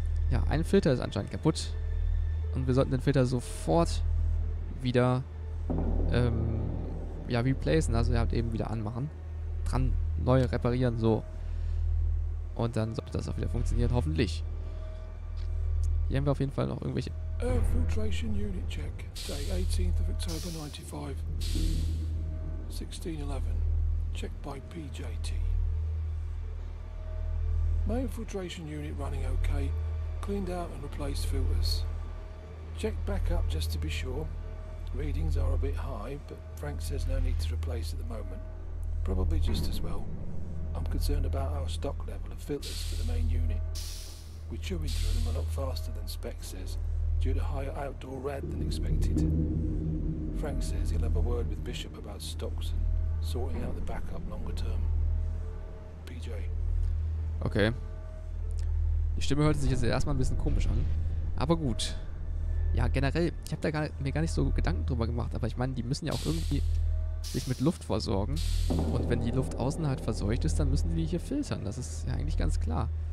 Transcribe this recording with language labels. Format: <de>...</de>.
<de>Ja, ein Filter ist anscheinend kaputt. Und wir sollten den Filter sofort wieder ja, replacen. Also ihr habt eben wieder anmachen. Dran neu reparieren, so. Und dann sollte das auch wieder funktionieren, hoffentlich. Hier haben wir auf jeden Fall noch irgendwelche...</de> <en>Air Filtration Unit Check, Day 18th of October 95, 1611, Check by PJT. Main Filtration Unit running okay, cleaned out and replaced filters. Check back up just to be sure, readings are a bit high, but Frank says no need to replace at the moment. Probably just as well. I'm concerned about our stock level of filters for the main unit. We're chewing through them a lot faster than spec says, due to higher outdoor rad than expected. Frank says he'll have a word with Bishop about stocks and sorting out the backup longer term. PJ. Okay.</en> <de>Die Stimme hörte sich jetzt erstmal ein bisschen komisch an. Aber gut. Ja, generell, ich habe da mir gar nicht so Gedanken drüber gemacht, aber ich meine, die müssen ja auch irgendwie sich mit Luft versorgen. Und wenn die Luft außen halt verseucht ist, dann müssen die hier filtern. Das ist ja eigentlich ganz klar.</de>